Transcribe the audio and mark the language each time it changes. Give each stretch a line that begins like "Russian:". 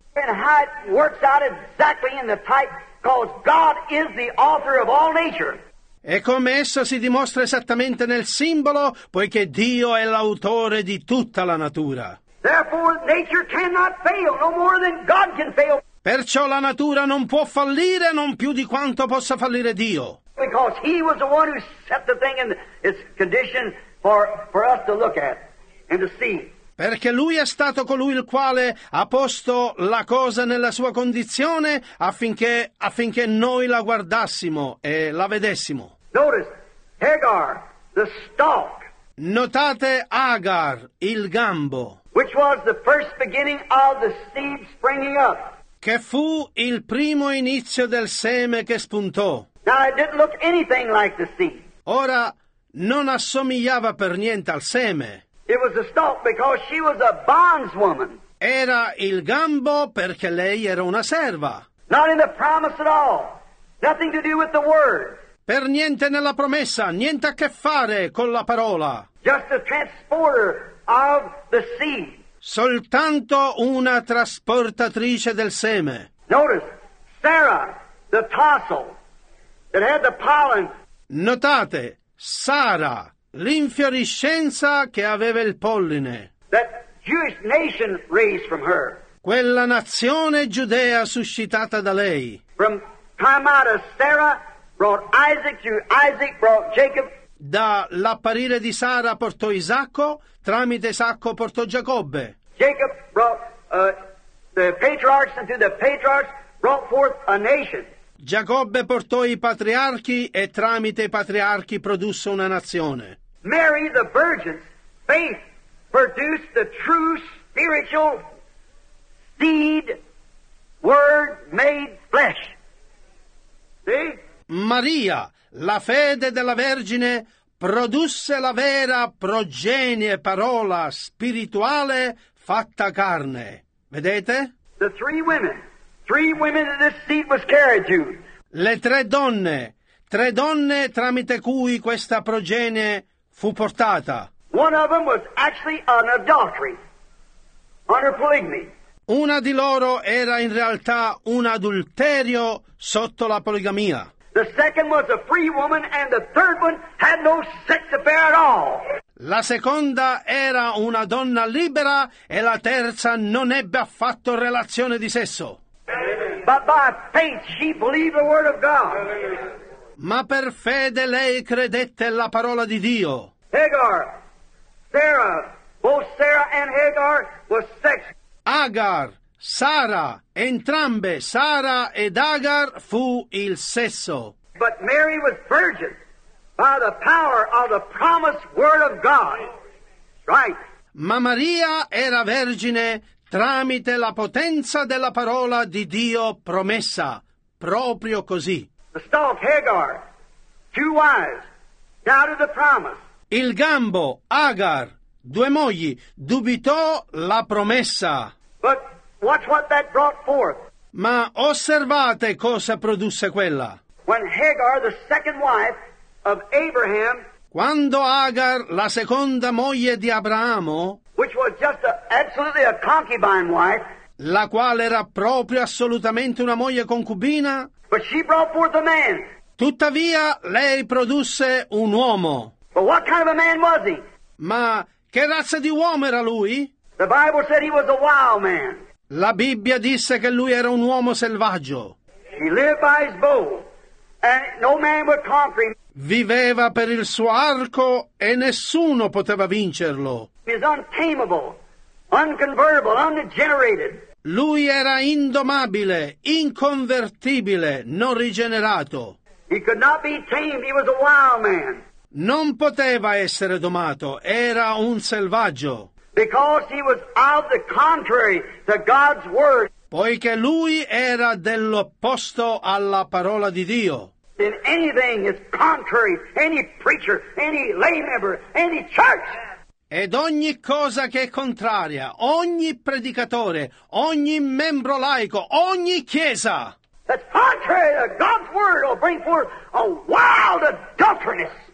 English: And how it works out exactly in the type, because God is the author of all nature.
Italian: E come esso si dimostra esattamente nel simbolo, poiché Dio è l'autore di tutta la natura.
English: Therefore, nature cannot fail, no more than God can fail.
Italian: Perciò la natura non può fallire, non più di quanto possa fallire Dio.
English: Because he was the one who set the thing in its condition for us to look at and to see.
Italian: Perché lui è stato colui il quale ha posto la cosa nella sua condizione affinché noi la guardassimo e la vedessimo.
English: Notice, Hagar, the stalk.
Italian: Notate Agar, il gambo.
English: Which was the first beginning of the seed springing up.
Italian: Che fu il primo inizio del seme che spuntò.
English: Now it didn't look anything like the seed.
Italian: Ora non assomigliava per niente al seme.
English: It was a stalk because she was a bondswoman.
Italian: Era il gambo perché lei era una serva.
English: Not in the promise at all. Nothing to do with the word.
Italian: Per niente nella promessa, niente a che fare con la parola.
English: Just a transporter of the seed.
Italian: Soltanto una trasportatrice del seme.
English: Notice, Sarah, the tassel that had the pollen.
Italian: Notate, Sara. L'infioriscenza che aveva il polline.
English: That Jewish nation raised from her.
Italian: Quella nazione giudea suscitata da lei.
English: From time out of Sarah brought Isaac, through Isaac brought Jacob.
Italian: Dall'apparire di Sara portò Isacco, tramite Isacco portò Giacobbe.
English: Jacob brought the patriarchs, and through the patriarchs brought forth a nation.
Italian: Giacobbe portò i patriarchi e tramite i patriarchi produsse una nazione.
English: Mary, the virgin's faith produced the true spiritual seed, word made flesh. See?
Italian: Maria, la fede della vergine, produsse la vera progenie, parola spirituale fatta carne. Vedete?
English: The three women. Three women that this seed was carried to.
Italian: Le tre donne tramite cui questa progenie fu portata.
English: One of them was actually an adultery, under polygamy.
Italian: Una di loro era in realtà un adulterio sotto la poligamia.
English: The second was a free woman, and the third one had no sex affair at all.
Italian: La seconda era una donna libera e la terza non ebbe affatto relazione di sesso.
English: But by faith she believed the word of God.
Italian: Ma per fede lei credette la parola di Dio.
English: Hagar, Sarah, both Sarah and Hagar were sexual.
Italian: Agar, Sara, entrambe, Sara ed Agar, fu il sesso.
English: But Mary was virgin by the power of the promised word of God. Right.
Italian: Ma Maria era vergine tramite la potenza della parola di Dio promessa, proprio così.
English: The stalk, Hagar, two wives, doubted the promise.
Italian: Il gambo, Agar, due mogli, dubitò la promessa.
English: But watch what that brought forth.
Italian: Ma osservate cosa produsse quella.
English: When Hagar, the second wife of Abraham,
Italian: quando Agar, la seconda moglie di Abramo,
English: which was just absolutely a concubine wife,
Italian: la quale era proprio assolutamente una moglie concubina,
English: but she brought forth a man.
Italian: Tuttavia lei produsse un uomo.
English: But what kind of a man was he?
Italian: Ma che razza di uomo era lui?
English: The Bible said he was a wild man.
Italian: La Bibbia disse che lui era un uomo selvaggio.
English: He lived by his bow, and no man would conquer him.
Italian: Viveva per il suo arco e nessuno poteva vincerlo.
English: He's untamable, unconvertible, ungenerated.
Italian: Lui era indomabile, inconvertibile, non rigenerato.
English: He could not be tamed. He was a wild man.
Italian: Non poteva essere domato, era un selvaggio.
English: Because he was of the contrary to God's word.
Italian: Poiché lui era dell'opposto alla parola di Dio.
English: In anything is contrary, any preacher, any lay member, any church.
Italian: Ed ogni cosa che è contraria, ogni predicatore, ogni membro laico, ogni chiesa.
English: That's contrary to God's word will bring forth a wild adulteress.